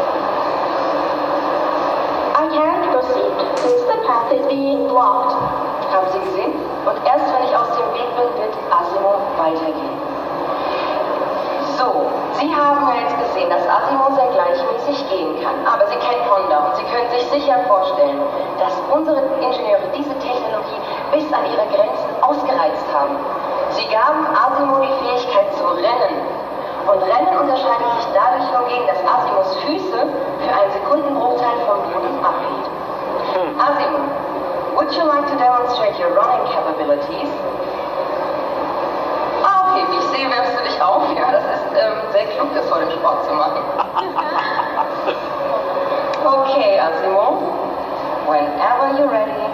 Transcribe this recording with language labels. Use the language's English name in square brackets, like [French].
[English] I can't proceed, since the path is being blocked. [German] Haben Sie gesehen? Und erst wenn ich aus dem Weg bin, wird Asimo weitergehen. So, Sie haben ja jetzt gesehen, dass Asimo sehr gleichmäßig gehen kann. Aber Sie kennen Honda und Sie können sich sicher vorstellen, dass unsere Ingenieure diese Technologie bis an ihre Grenzen ausgereizt haben. Sie gaben Asimo die Fähigkeit zu rennen. Und Rennen unterscheidet sich dadurch hingegen, dass Asimos Füße für einen Sekundenbruchteil vom Boden abheben. [English] Asimo, would you like to demonstrate your running capabilities? [German] Okay, ich sehe, wärmst du dich auf? Ja, das ist sehr klug, das vor dem Sport zu machen. [English] Okay, Asimo. Whenever you're ready.